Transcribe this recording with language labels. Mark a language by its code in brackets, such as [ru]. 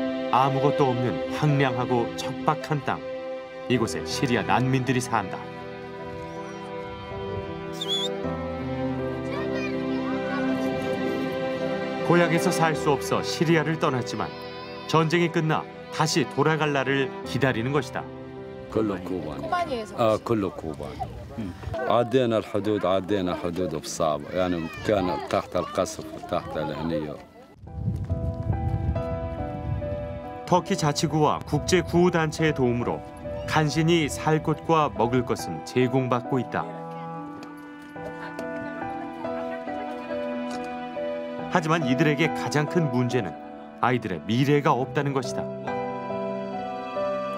[ko] 아무것도 없는 황량하고 척박한 땅. 이곳에 시리아 난민들이 산다. 고향에서 살 수 없어 시리아를 떠났지만 전쟁이 끝나 다시 돌아갈 날을 기다리는 것이다. 콜로쿠반. [ar] عدينا الحدود عدينا حدود بصعب يعني كان تحت القصف تحت الهنيه [ko] 터키 자치구와 국제 구호 단체의 도움으로 간신히 살 곳과 먹을 것은 제공받고 있다. 하지만 이들에게 가장 큰 문제는 아이들의 미래가 없다는 것이다.